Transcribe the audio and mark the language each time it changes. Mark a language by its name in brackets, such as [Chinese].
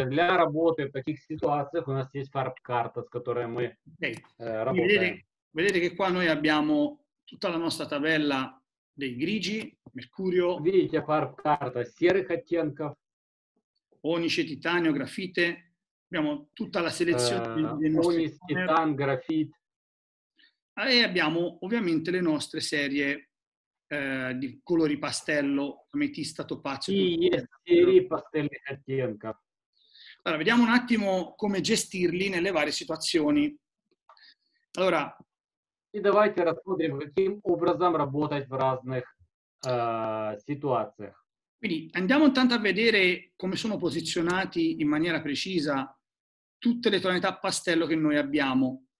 [Russian] Для работы в таких ситуациях у нас есть карта, с которой мы работаем. [Italian] Vedete che qua noi abbiamo tutta la nostra tabella dei grigi, mercurio. Vedete, farb carta, [Russian] серых оттенков. [Italian] Onice, titanio, grafite. Abbiamo tutta la selezione dei nostri. Onice, titanio, grafite. E abbiamo ovviamente le nostre serie di colori pastello, ametista, topazio. Sì, pastelli оттенков. Allora, vediamo un attimo come gestirli nelle varie situazioni. Allora. [Russian] И давайте рассмотрим, каким образом работать в разных ситуациях. [Italian] Quindi andiamo intanto a vedere come sono posizionati in maniera precisa tutte le tonalità pastello che noi abbiamo.